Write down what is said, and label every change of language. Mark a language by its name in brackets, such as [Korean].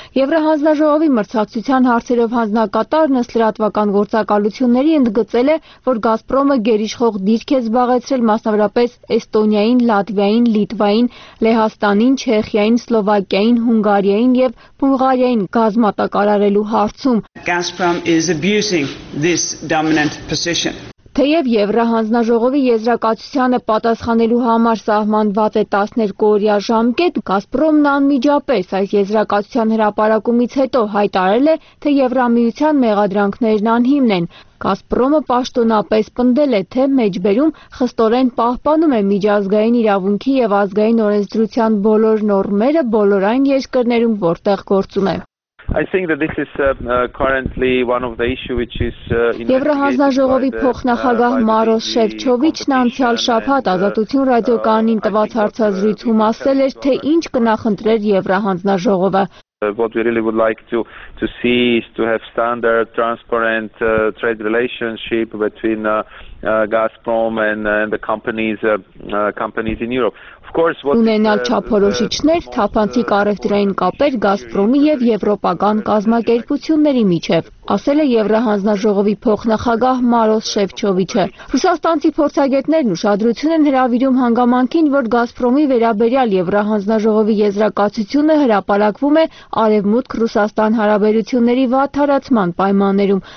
[Armenian] Եվրահանձնաժողովի մրցակցության հարցերով հանձնակատարն ըստ լրատվական գործակալությունների ընդգծել է, որ Գազպրոմը գերիշխող դիրք է զբաղեցրել մասնավորապես Էստոնիային, Լատվիային, Լիտվային, Լեհաստանին, Չեխիային, Սլովակիային, Հունգարիային և Բուլղարիային գազմատակարարելու հարցում։ [English] Gazprom is abusing this dominant position. [Armenian] Թեև Եվրահանձնաժողովի եզրակացությանը պատասխանելու համար սահմանված է 12 օրյա ժամկետ, Գազպրոմն անմիջապես այս եզրակացության հրապարակումից հետո հայտարել է, թե Եվրամիության մեղադրանքներն անհիմն են։ Գազպրոմը պաշտոնապես պնդել է, թե մեջբերում խստորեն պահպանում է միջազգային իրավունքի և ազգային օրենսդրության բոլոր նորմերը բոլոր այն երկրներում, որտեղ գործում է։ [English] I think that this is currently one of the issue which is [Armenian] Եվրահանձնաժողովի փոխնախագահ Մարոս Շևչովիչն անցյալ շաբաթ Ազատություն ռադիոկանին տված հարցազրույցում ասել էր, թե ինչ կնախընտրեր Եվրահանձնաժողովը։ [English] What we really would like to see is to have standard transparent trade relationship between Gazprom and the companies in Europe. [Armenian] Ունենալ չափորոշիչներ, թափանցիկ առևտրային կապեր Գազպրոմի և եվրոպական կազմակերպությունների միջև, ասել է Եվրահանձնաժողովի փոխնախագահ Մարոս Շևչովիչը։ Ռուսաստանցի փորձագետներն ուշադրություն են հրավիրում հանգամանքին, որ Գազպրոմի վերաբերյալ Եվրահանձնաժողովի եզրակացությունը հրապարակվում է Արևմուտք Ռուսաստան հարաբերությունների վատթարացման պայմաններում։